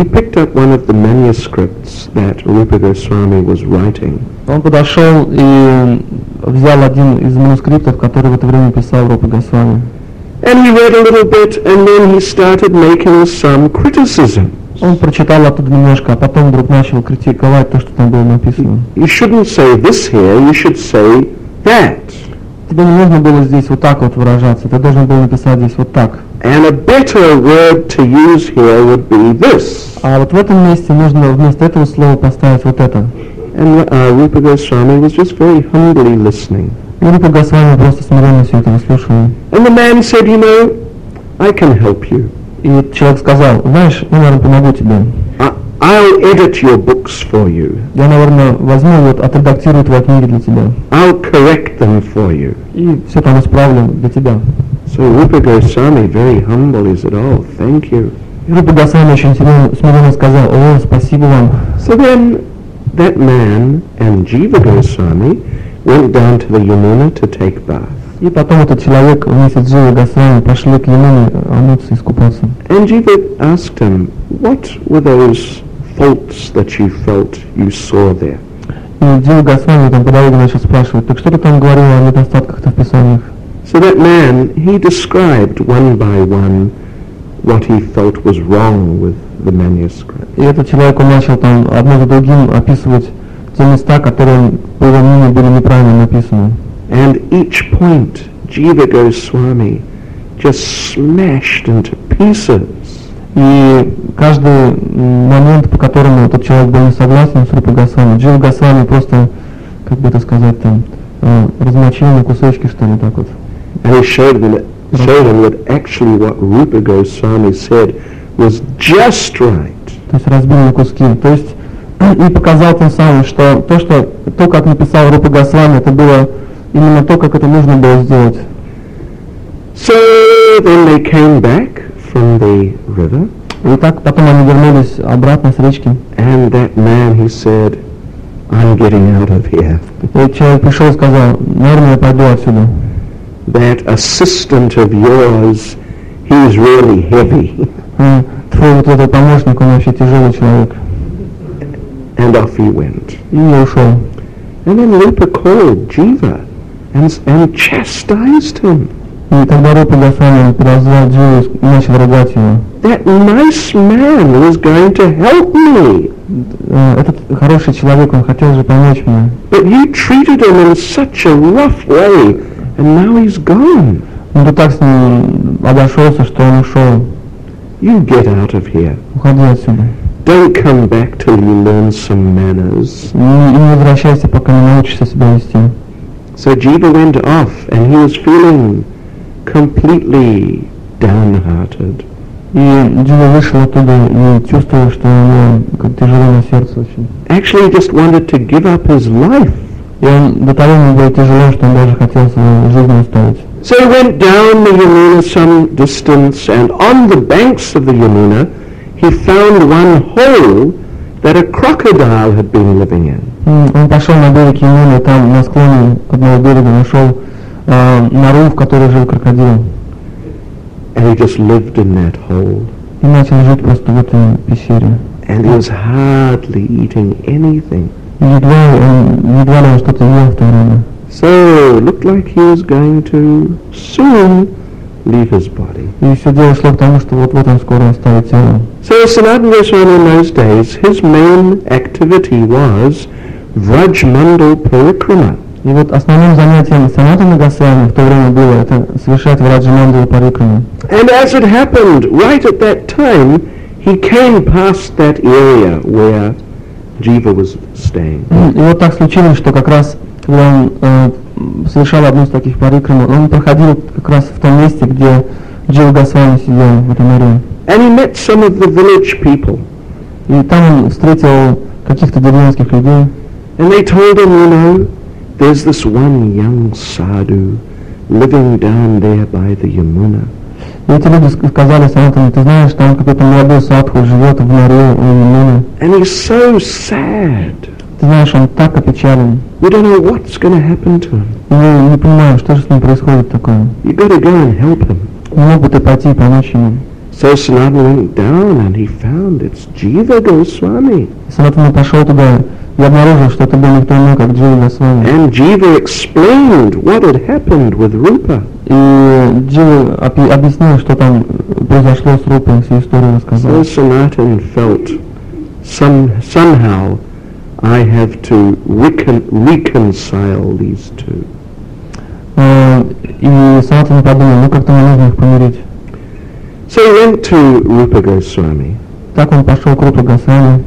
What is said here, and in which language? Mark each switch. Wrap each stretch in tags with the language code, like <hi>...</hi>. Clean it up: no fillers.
<en>He picked up one of the manuscripts that Rupa Goswami was writing.</en> <ru>Он подошел и взял один из манускриптов, который в это время писал Рупа Госвами.</ru> <en>And he read a little bit, and then he started making some criticism.</en> <ru>Он прочитал оттуда немножко, а потом вдруг начал критиковать то, что там было написано.</ru> <en>You shouldn't say this here. You should say that.</en> <ru>Тебе не нужно было здесь вот так вот выражаться. Ты должен был написать здесь вот так.</ru> <en>And a better word to use here would be this.</en> <ru>А вот в этом месте нужно вместо этого слова поставить вот это.</ru> <en>And Rupa Goswami was just very humbly listening.</en> <ru>Рупа Госвами просто смиренно все это выслушивал.</ru> <en>And the man said, you know, I can help you.</en> <ru>И человек сказал, знаешь, я, наверное, помогу тебе.</ru> <en>I'll edit your books for you.</en> <ru>Я, наверное, возьму вот, отредактирую твои книги для тебя.</ru> <en>I'll correct them for you.</en> <ru>И все там исправлю для тебя.</ru> <en>So Rupa Goswami, very humble, is it all? Thank you.</en> <ru>И Рупа Госвами очень смиренно сказал, о, спасибо вам.</ru> <en>So then that man and Jiva Goswami went down to the Yamuna to take bath.</en> <ru>И потом этот человек вместе с Джива Госвами пошли к Ямуне омыться и искупаться.</ru> <en>And Jiva asked him, what were those faults that you felt you saw there?</en> <ru>И Джива Госвами там по дороге начал спрашивать, так что ты там говорил о недостатках-то в писаниях?</ru> <en>So that man, he described one by one what he felt was wrong with the manuscript.</en> <ru>И этот человек, он начал там одно за другим описывать те места, которые, по его мнению, были неправильно написаны.</ru> <en>And each point Jiva Goswami just smashed into pieces.</en> <ru>И каждый момент, по которому этот человек был не согласен с Рупой Госвами, Джива Госвами просто, как бы это сказать, там, размочил на кусочки, что ли, так вот.</ru> <en>And he showed him that actually what Rupa Goswami said was just right.</en> <ru>То есть разбил на куски. То есть и показал тем самым, что то, что то, как написал Рупа Госвами, это было именно то, как это нужно было сделать.</ru> <en>So then they came back from the river.</en> <ru>И так потом они вернулись обратно с речки.</ru> <en>And that man, he said, I'm getting out of here.</en> <ru>И человек пришел и сказал, наверное, я пойду отсюда.</ru> <en>That assistant of yours, he is really heavy.</en> <ru>Твой вот этот помощник, он вообще тяжелый человек.</ru> <en>And off he went.</en> <ru>И ушел.</ru> <en>And then Rupa called Jiva and chastised him.</en> <ru>И тогда Рупа Госвами подозвал Дживу и начал ругать его.</ru> <en>That nice man was going to help me.</en> <ru>Этот хороший человек, он хотел же помочь мне.</ru> <en>But you treated him in such a rough way, and now he's gone.</en> <ru>Но ты так с ним обошелся, что он ушел.</ru> <en>You get out of here.</en> <ru>Уходи отсюда.</ru> <en>Don't come back till you learn some manners.</en> <ru>Не возвращайся, пока не научишься себя вести.</ru> <en>So Jiva went off, and he was feeling completely downhearted.</en> <ru>И Джива вышел оттуда и чувствовал, что у него как тяжело на сердце очень.</ru> <en>Actually, he just wanted to give up his life.</en> <ru>И он до того ему было тяжело, что он даже хотел свою жизнь оставить.</ru> <en>So he went down the Yamuna some distance, and on the banks of the Yamuna, he found one hole that a crocodile had been living in.</en> <ru>Он пошел на берег Ямуны, там на склоне к одному берегу нашел нору, в которой жил крокодил.</ru> <en>And he just lived in that hole.</en> <ru>И начал жить просто в этой пещере.</ru> <en>And he was hardly eating anything.</en> <ru>Едва ли он что-то ел в то время.</ru> <en>So looked like he was going to soon leave his body.</en> <ru>И все дело шло к тому, что вот-вот он скоро оставит тело.</ru> <en>So Sanatana Goswami in those days, his main activity was Vrajmandal Parikrama.</en> <ru>И вот основным занятием Санатана Госвами в то время было это совершать Враджамандалу Парикраму.</ru> <en>And as it happened, right at that time, he came past that area where Jiva was staying.</en> <ru>И вот так случилось, что как раз когда он совершал одну из таких парикрам, он проходил как раз в том месте, где Джива Госвами сидел в этом море.</ru> <en>And he met some of the village people.</en> <ru>И там он встретил каких-то деревенских людей.</ru> <en>And they told him, you know, there's this one young sadhu living down there by the Yamuna.</en> <ru>И эти люди сказали Санатану, ты знаешь, там какой-то молодой садху живет в море у Ямуны.</ru> <en>And he's so sad.</en> <ru>Ты знаешь, он так опечален.</ru> <en>We don't know what's going to happen to him.</en> <ru>Мы не понимаем, что же с ним происходит такое.</ru> <en>You gotta go and help him.</en> <ru>Не мог бы ты пойти и помочь ему?</ru> <en>So Sanatana went down and he found it's Jiva Goswami.</en> <ru>Санатана пошел туда и обнаружил, что это был никто иной, как Джива Госвами.</ru> <en>And Jiva explained what had happened with Rupa.</en> <ru>И Джива объяснил, что там произошло с Рупой, всю историю рассказал.</ru> <en>So Sanatana felt somehow I have to reconcile these two.</en> <ru>И Санатана подумал, ну как-то мне нужно их помирить.</ru> <en>So he went to Rupa Goswami.</en> <ru>Так он пошел к Рупа Госвами.</ru>